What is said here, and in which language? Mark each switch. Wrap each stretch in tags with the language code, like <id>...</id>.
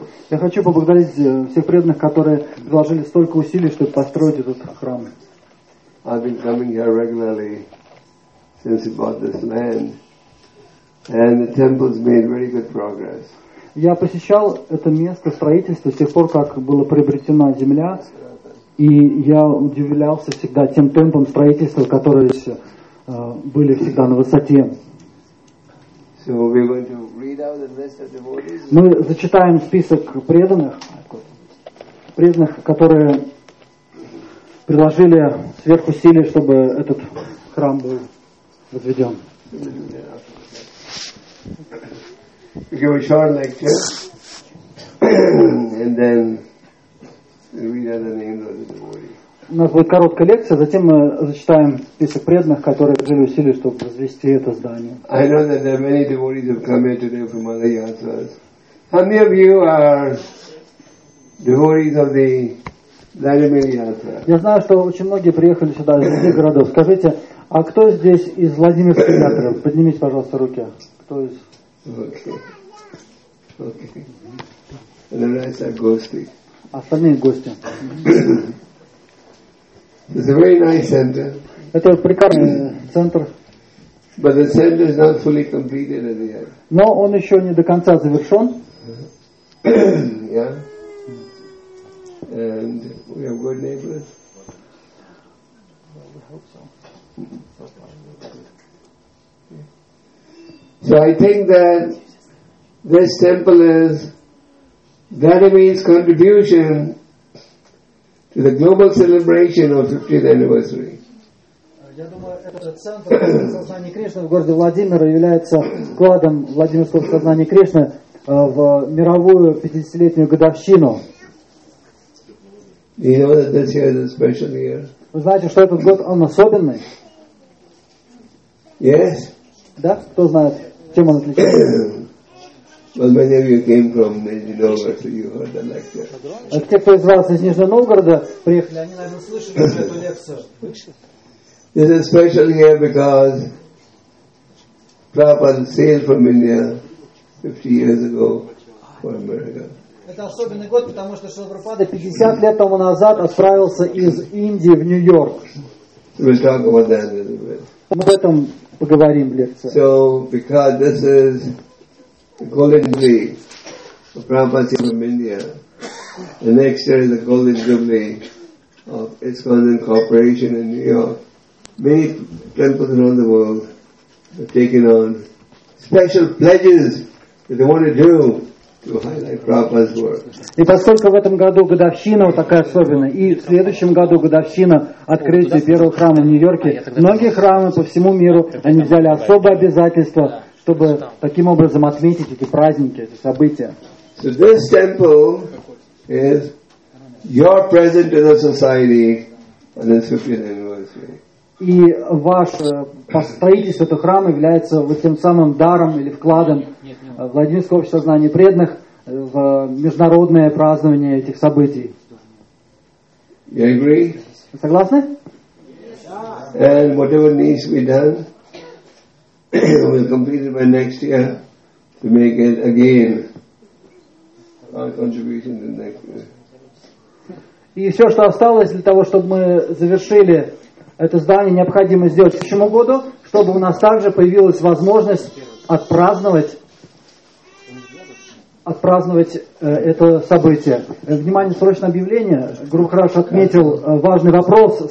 <ru>Я хочу поблагодарить всех преданных, которые вложили столько усилий, чтобы построить этот храм.</ru> <en>I've been coming here regularly since we bought this land, and the temple's made very good progress.</en> <ru>Я посещал это место строительства с тех пор, как была приобретена земля, и я удивлялся всегда тем темпом строительства, которые были всегда на высоте.</ru> <en>So we're going to read out the list of devotees.</en> <ru>Мы зачитаем список преданных, которые приложили сверх усилий, чтобы этот храм был возведен.</ru> <en>Give a short lecture, and then read out the names of the devotees.</en> <ru>У нас будет короткая лекция, затем мы зачитаем список преданных, которые приложили усилия, чтобы возвести это здание.</ru> <en>I know that there are many devotees who have come here today from other yatras. How many of you are devotees of the Vladimir Yatra?</en> <ru>Я знаю, что очень многие приехали сюда из других городов. Скажите, а кто здесь из Владимирской Ятры? Поднимите, пожалуйста, руки. Кто из?</ru> <en>Okay. Okay. The rest are</en> <ru>гости. Остальные гости.</ru> <en>It's a very nice center.</en> <ru>Это прекрасный центр.</ru> <en>But the center is not fully completed as yet.</en> <ru>Но он еще не до конца завершен.</ru> <en>Yeah. And we have good neighbors. Well, we hope so. So I think that this temple is Vladimir's contribution to the global celebration of 50th anniversary.</en> <ru>Я думаю, этот центр сознания Кришны в городе Владимир является вкладом Владимирского сознания Кришны в мировую 50-летнюю годовщину.</ru> <en>You know that this year is a special year?</en> <ru>Вы знаете, что этот год он особенный?</ru> <en>Yes.</en> <ru>Да? Кто знает, чем он отличается?</ru> <en>Well, many of you came from Nizhny Novgorod, so you heard the lecture.</en> <ru>Те, кто из вас из Нижнего Новгорода приехали, они, наверное, слышали эту лекцию.</ru> <en>This is special here because Prabhupada sailed from India 50 years ago for America.</en> <ru>Это особенный год, потому что Шрила Прабхупада 50 лет тому назад отправился из Индии в Нью-Йорк.</ru> <en>We'll talk about that a little bit.</en> <ru>Мы об этом поговорим в лекции.</ru> <en>So, because this is the Golden Jubilee of Prabhupada came from India. The next year is the Golden Jubilee of ISKCON Corporation in New York. Many temples around the world have taken on special pledges that they want to do to highlight Prabhupada's work.</en> <ru>И поскольку в этом году годовщина вот такая особенная, и в следующем году годовщина открытия первого храма в Нью-Йорке, многие храмы по всему миру, они взяли особое обязательство, чтобы таким образом отметить эти праздники, эти события.</ru> <en>So this temple is your present to the society on this 50th anniversary.</en> <ru>И ваше построительство этого храма является вот тем самым даром или вкладом Владимирского общества знаний преданных в международное празднование этих событий.</ru> <en>You agree?</en> <ru>Согласны?</ru> <en>And whatever needs to be done, it will be completed by next year to make it again our contribution to next year.</en> <ru>И все, что осталось для того, чтобы мы завершили это здание, необходимо сделать в следующем году, чтобы у нас также появилась возможность отпраздновать это событие. Внимание, срочное объявление. Грухараш отметил важный вопрос.</ru>